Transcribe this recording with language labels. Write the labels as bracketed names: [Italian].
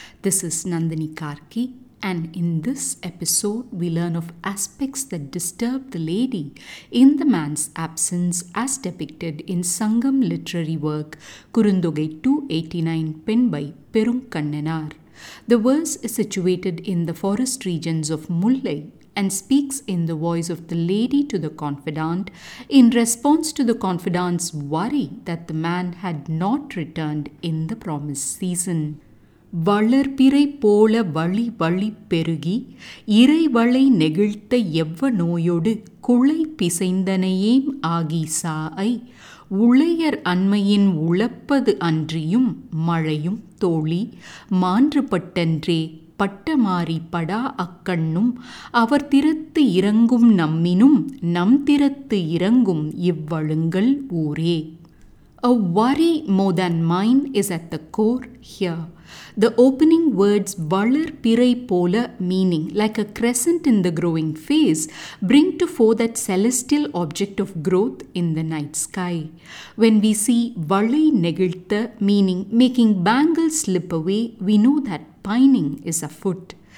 [English] This is Nandini Karki, and in this episode we learn of aspects that disturb the lady in the man's absence as depicted in Sangam literary work Kurundogai 289 penned by Perunkannanar. The verse is situated in the forest regions of Mullai and speaks in the voice of the lady to the confidant in response to the confidant's worry that the man had not returned in the promised season. [Tamil] வளர்பிறை போல வழி வழி பெருகி இறைவளை நெகிழ்த்த எவ்வ நோயோடு குளை பிசைந்தனையேம் ஆகி சாஐ உளையர் அண்மையின் உழப்பது அன்றியும் மழையும் தோழி மாறுபட்டன்றே பட்டமாறி படா அக்கண்ணும் அவர் திறத்து இறங்கும் நம்மினும் நம் திறத்து இறங்கும் இவ்வழுங்கள் ஊரே. [English] A worry more than mine is at the core here. The opening words valar pirai pola, meaning like a crescent in the growing phase, bring to fore that celestial object of growth in the night sky. When we see valai negiltha, meaning making bangles slip away, we know that pining is afoot.